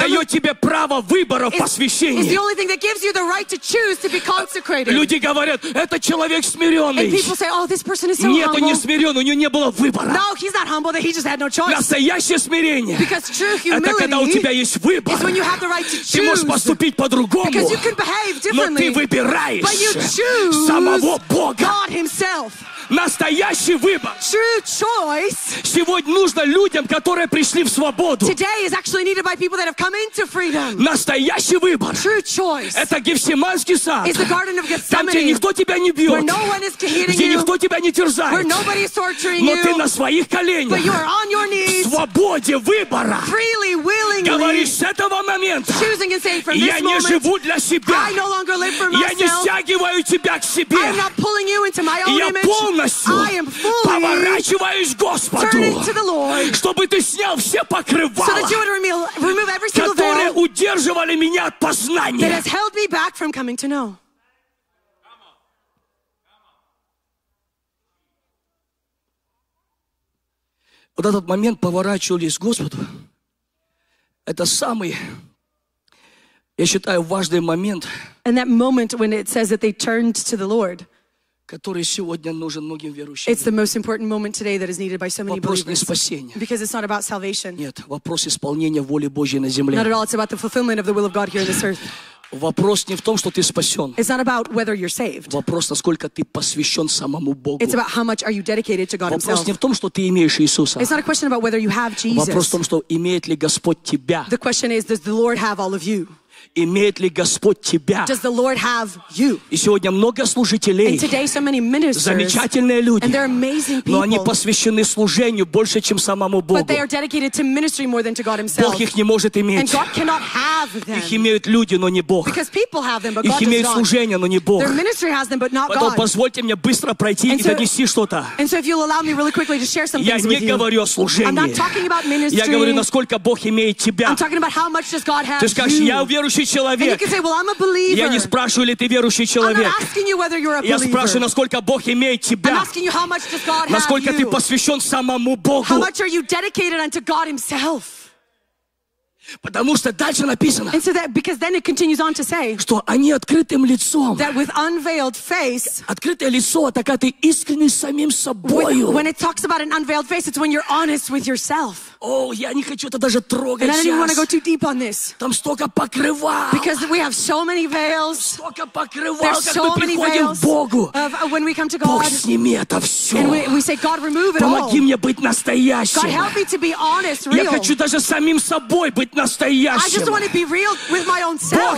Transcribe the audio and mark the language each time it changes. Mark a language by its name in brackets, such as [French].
[Russian] Дает тебе право выбора посвящения. [English] It's the only thing that gives you the right to choose to be consecrated. [Russian] Люди говорят, этот человек смиренный. [English] And people say, oh, this person is so humble. [Russian] Нет, он не смирен, у него не было выбора. [English] No, he's not humble, that he just had no choice. [Russian] Настоящее смирение. [English] Because true humility. [Russian] Это когда у тебя есть выбор. [English] Is when you have the right to choose. [Russian] Ты можешь поступить по-другому. [English] Because you can behave differently. [Russian] Но ты выбираешь. [English] But you choose. [Russian] Самого Бога. [English] God himself. [Russian] Настоящий выбор. [English] True choice. [Russian] Сегодня нужно людям, которые пришли в свободу. [English] Today is actually needed by people that have come into freedom. [Russian] Настоящий выбор. [English] True choice. [Russian] Это Гефсиманский сад. [English] It's the Garden of Gethsemane. [Russian] Там, где никто тебя не бьет. [English] Where no one is hitting you. [Russian] Где никто тебя не терзает. [English] Where nobody is torturing you. [Russian] Но ты на своих коленях. [English] But you are on your knees. [Russian] В свободе выбора. [English] Freely, willingly. [Russian] Говоришь, с этого момента. [English] Choosing and saying, from this moment. [Russian] Я не живу для себя. [English] I no longer live for myself. [Russian] Я не стягиваю тебя к себе. [English] I'm not pulling you into my own image. I am fully turning to the Lord, [Russian] чтобы ты снял все покрывала, [English] so that you would remove every single veil that has held me back from coming to know. [Russian] Вот этот момент поворачивались к Господу. Это самый, я считаю, важный момент. [English] And that moment when it says that they turned to the Lord. [Russian] Который сегодня нужен многим верующим. [English] It's the most important moment today that is needed by so many [Russian] вопрос [English] believers. [Russian] Вопрос не спасения. [English] Because it's not about salvation. [Russian] Нет, вопрос исполнения воли Божьей на земле. [English] Not at all, it's about the fulfillment of the will of God here on this earth. [Russian] Вопрос не в том, что ты спасен. [English] It's not about whether you're saved. [Russian] Вопрос, насколько ты посвящен самому Богу. [English] It's about how much are you dedicated to God [Russian] вопрос [English] himself. [Russian] Вопрос не в том, что ты имеешь Иисуса. [English] It's not a question about whether you have Jesus. [Russian] Вопрос в том, что имеет ли Господь тебя. [English] The question is, does the Lord have all of you? [Russian] Имеет ли Господь тебя? [English] Does the Lord have you? [Russian] И сегодня много служителей. [English] And today so many ministers. [Russian] Замечательные люди. [English] And they're amazing people. [Russian] Но они посвящены служению больше, чем самому Богу. [English] But they are dedicated to ministry more than to God himself. [Russian] Бог их не может иметь. [English] And God cannot have them. [Russian] Их имеют люди, но не Бог. [English] Because people have them, but God [Russian] их имеют служение, но не Бог. [English] Their ministry has them, but not God. [Russian] Поэтому позвольте мне быстро пройти и донести что-то. [English] And so if you'll allow me really quickly to share some things with you. [Russian] Я не говорю о служении. [English] I'm not talking about ministry. [Russian] Я говорю, насколько Бог имеет тебя. [English] I'm talking about how much does God have you. [Russian] Ты скажешь, я верующий человек. [English] And you can say, well, I'm a believer. [Russian] Я не спрашиваю, ли ты верующий человек. [English] I'm not asking you whether you're a believer. [Russian] Я спрашиваю, насколько Бог имеет тебя. [English] I'm asking you how much does God have you. [Russian] Насколько ты посвящен самому Богу. [English] How much are you dedicated unto God himself? [Russian] Потому что дальше написано, [English] and so that, because then it continues on to say, [Russian] что они открытым лицом, [English] that with unveiled face, [Russian] открытое лицо, это когда ты искренне самим собою. [English] When it talks about an unveiled face, it's when you're honest with yourself. [Russian] Oh, я не хочу это даже трогать сейчас. [English] I don't even want to go too deep on this. [Russian] Там столько покрывал. [English] Because we have so many veils. [Russian] Столько покрывал. [English] There's so many veils. Of, when we come to God. [Russian] Бог, сними это все. [English] And we say, God, remove it [Russian] помоги [English] all. [Russian] Помоги мне быть настоящим. [English] God, help me to be honest, real. [Russian] Я хочу даже самим собой быть. [English] I just want to be real with my own self.